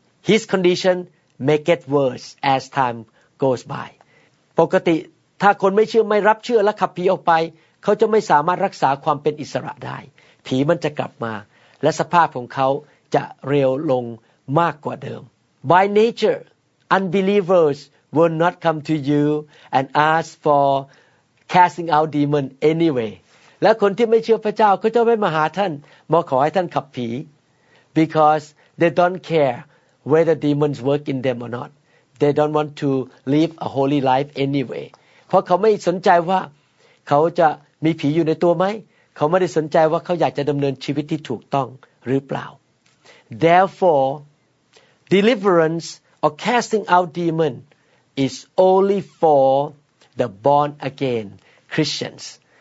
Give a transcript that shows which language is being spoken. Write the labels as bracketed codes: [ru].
[en] His condition may get worse as time goes by [th] ปกติถ้าคนไม่เชื่อไม่รับเชื่อและขับผีออกไปเขาจะไม่สามารถรักษาความเป็นอิสระได้ผีมันจะกลับมาและสภาพของเขาจะเร็วลงมากกว่าเดิม [en] By nature, unbelievers will not come to you and ask for casting out demon anyway. [th] และคนที่ไม่เชื่อพระเจ้าเขาจะไม่มาหาท่านมาขอให้ท่านขับผี [en] because they don't care whether demons work in them or not. They don't want to live a holy life anyway. [th] เพราะเขาไม่สนใจว่าเขาจะมีผีอยู่ในตัวไหมเขาไม่ได้สนใจว่าเขาอยากจะดำเนินชีวิตที่ถูกต้องหรือเปล่า [en] Therefore, deliverance or casting out demon is only for the born again Christians.